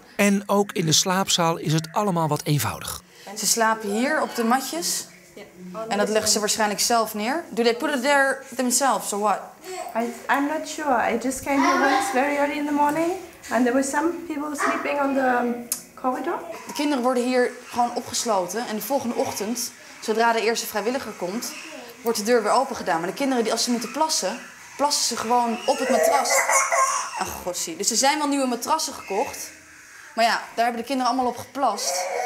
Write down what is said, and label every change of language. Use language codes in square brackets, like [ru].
[nl] En ook in de slaapzaal is het allemaal wat eenvoudig. Ze slapen hier op de matjes. En dat leggen ze waarschijnlijk zelf neer. [en] Do they put it there themselves or what? I'm not sure. I just came here once very early in the morning. And there were some people sleeping on the corridor. [nl] De kinderen worden hier gewoon opgesloten. En de volgende ochtend, zodra de eerste vrijwilliger komt, wordt de deur weer open gedaan. Maar de kinderen, die als ze moeten plassen, plassen ze gewoon op het matras. Ach, godzie. Dus er zijn wel nieuwe matrassen gekocht. Maar ja, daar hebben de kinderen allemaal op geplast.